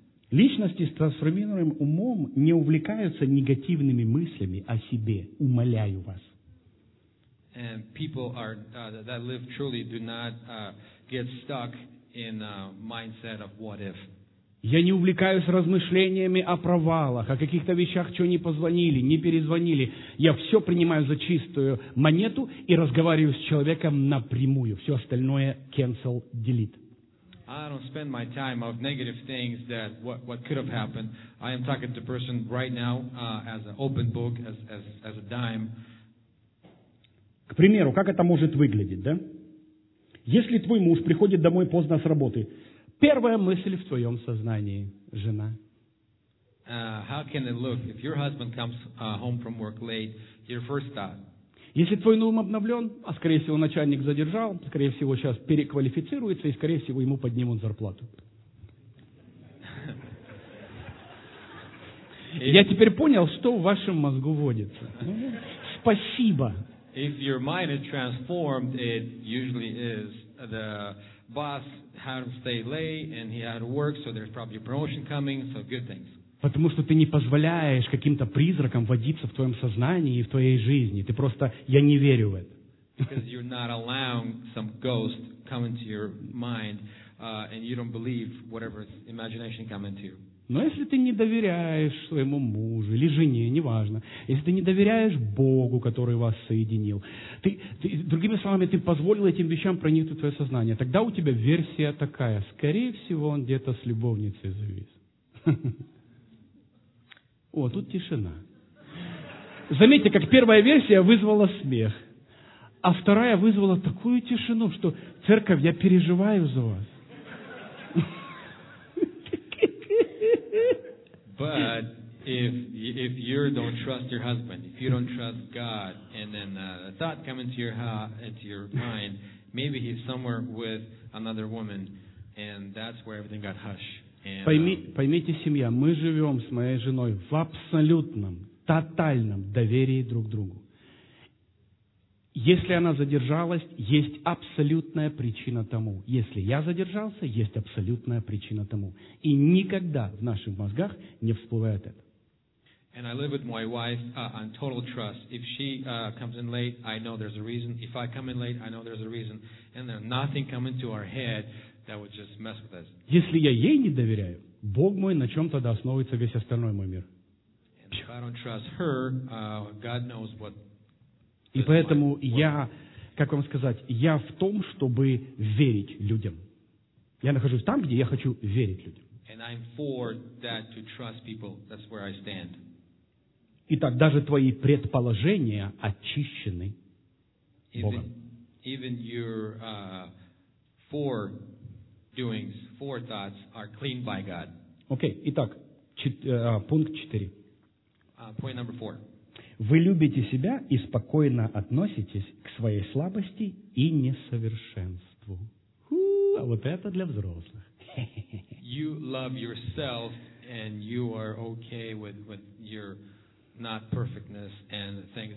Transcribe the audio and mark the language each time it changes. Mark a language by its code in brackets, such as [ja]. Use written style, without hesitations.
[ru] Личности с трансформированным умом не увлекаются негативными мыслями о себе, умоляю вас. [en] And people are, that live truly do not get stuck in a mindset of what if. [ru] Я не увлекаюсь размышлениями о провалах, о каких-то вещах, что не позвонили, не перезвонили. Я все принимаю за чистую монету и разговариваю с человеком напрямую. Все остальное [en] cancel, delete. I don't spend my time of negative things that what could have happened. I am talking to a person right now as an open book, as a dime. [ru] К примеру, как это может выглядеть, да? Если твой муж приходит домой поздно с работы, первая мысль в твоем сознании – жена. [en] How can it look? If your husband comes home from work late, your first thought. [ru] Если твой ум обновлен, а скорее всего начальник задержал, скорее всего сейчас переквалифицируется, и скорее всего ему поднимут зарплату. Я теперь понял, что в вашем мозгу водится. Спасибо. [en] If your mind is transformed, it usually is the boss had to stay late and he had to work, so there's probably a promotion coming, so good things. [ru] Потому что ты не позволяешь каким-то призракам водиться в твоем сознании и в твоей жизни. Ты просто, я не верю в это. [en] Because you're not allowing some ghost come into your mind and you don't believe whatever imagination come into you. [ru] Но если ты не доверяешь своему мужу или жене, неважно, если ты не доверяешь Богу, который вас соединил, другими словами, ты позволил этим вещам проникнуть в твое сознание, тогда у тебя версия такая. Скорее всего, он где-то с любовницей завис. О, тут тишина. Заметьте, как первая версия вызвала смех, а вторая вызвала такую тишину, что церковь, я переживаю за вас. [en] But if you don't trust your husband, if you don't trust God, and then a thought comes into your mind, maybe he's somewhere with another woman, and that's where everything got hushed. [ru] Поймите, семья, мы живем с моей женой в абсолютном, тотальном доверии друг другу. Если она задержалась, есть абсолютная причина тому. Если я задержался, есть абсолютная причина тому. И никогда в наших мозгах не всплывает это. [en] And I live with my wife on total trust. If she comes in late, I know there's a reason. If I come in late, I know there's a reason. And there's nothing coming to our head that would just mess with us. [ru] Если я ей не доверяю, Бог мой, на чем тогда основывается весь остальной мой мир? [en] And if I don't trust her, God knows what. [ru] И поэтому я, как вам сказать, я в том, чтобы верить людям. Я нахожусь там, где я хочу верить людям. [en] And I'm for that to trust people. That's where I stand. [ru] Итак, даже твои предположения очищены Богом. [en] Even your four doings, four thoughts are cleaned by God. [ru] Окей, итак, пункт 4. [en] Point number four. [ru] Вы любите себя и спокойно относитесь к своей слабости и несовершенству. А вот это для взрослых. [en] You love yourself and you are okay with your not perfectness and things.